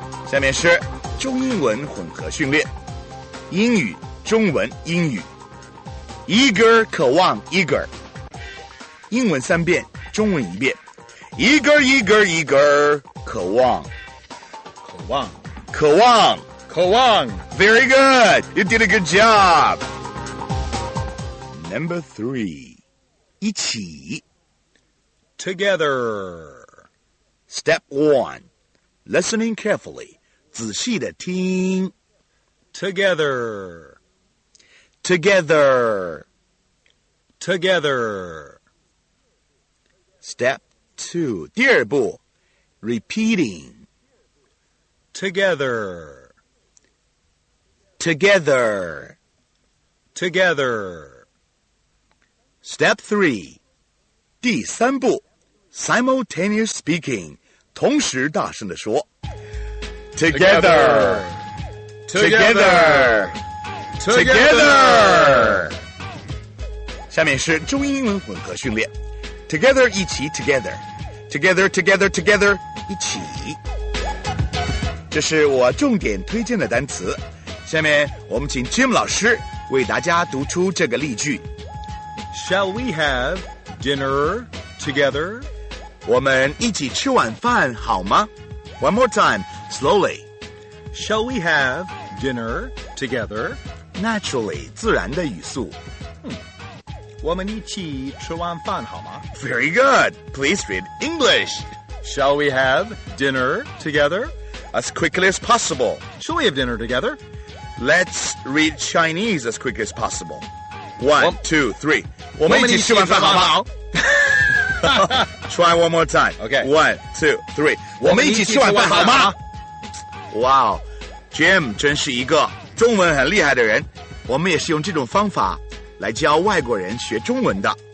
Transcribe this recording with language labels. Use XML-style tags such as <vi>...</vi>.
<zh>下面是中英文混合训练，英语中文英语 eager 渴望 eager, 英文三遍，中文一遍</zh> <en>eager, eager, eager</en> <zh>渴望。渴望，渴望</zh> <en>，Very good, you did a good job. Number three.</en> <zh>一起</zh> <en>Together. Step one. Listening carefully.</en> <zh>仔细地听</zh> <en>Together. Together. Together. Step two.</en> <zh>第二步</zh> <en>Repeating. Together. Together. Together. Step three.</en> <zh>第三步</zh> <en>Simultaneous speaking.</en> <zh>同时大声地说 Together.</zh> <en>Together. Together.</en> <zh>下面是中英文混合训练 Together 一起 Together.</zh> <en>Together, together, together</en> <zh>一起这是我重点推荐的单词下面我们请 Jim 老师为大家读出这个例句。</zh> <en>Shall we have dinner together?</en> <zh>我们一起吃晚饭好吗?</zh> <en>One more time, slowly. Shall we have dinner together? Naturally,</en> <zh>自然的语速。我们一起吃晚饭好吗?</zh> <en>Very good. Please read English. Shall we have dinner together? As quickly as possible. Shall we have dinner together? Let's read Chinese as quick as possible. One, two, three.</en> <zh>我们一起吃晚饭好不好?</zh> <en>Try one more time. Okay. One, two, three.</en> <zh>我们一起吃晚饭好吗?Wow. Jim 真是一个中文很厉害的人。我们也是用这种方法来教外国人学中文的。</zh>